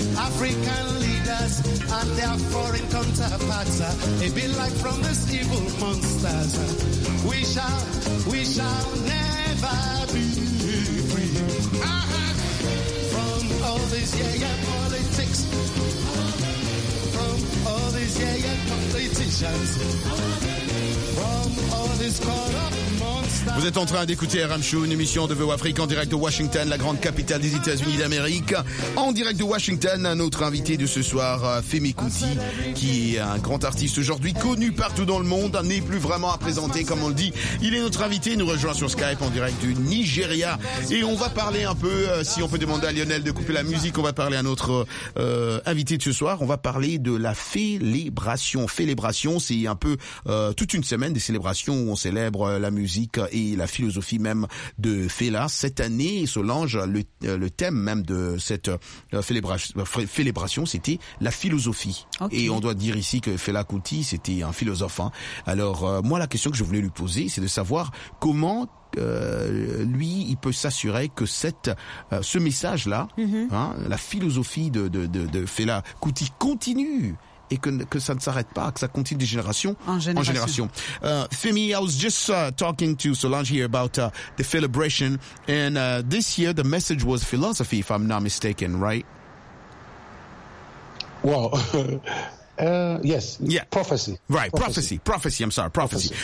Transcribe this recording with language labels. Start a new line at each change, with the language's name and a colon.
English: African leaders and their foreign counterparts, it be like from these evil monsters. We shall never be free. From all these politics. From all these politicians.
French: Vous êtes en train d'écouter RM Show, une émission de VO Afrique en direct de Washington, la grande capitale des États-Unis d'Amérique. En direct de Washington, un autre invité de ce soir, Femi Kuti, qui est un grand artiste aujourd'hui, connu partout dans le monde, n'est plus vraiment à présenter, comme on le dit. Il est notre invité, nous rejoint sur Skype en direct du Nigeria. Et on va parler un peu, si on peut demander à Lionel de couper la musique, on va parler à notre invité de ce soir. On va parler de la félébration. Félébration, c'est un peu toute une semaine des célébrations où on célèbre la musique et la philosophie même de Fela. Cette année, Solange, le thème même de cette célébration, c'était la philosophie. Okay. Et on doit dire ici que Fela Kuti, c'était un philosophe. Hein. Alors, moi, la question que je voulais lui poser, c'est de savoir comment lui, il peut s'assurer que ce message-là, hein, la philosophie de Fela Kuti continue. Et que ça ne s'arrête pas, que ça continue des générations en génération.
English: Femi, I was just talking to Solange here about the celebration, and this year the message was philosophy, if I'm not mistaken, right? Well, yes, yeah. Prophecy. Right, prophecy. I'm sorry, prophecy.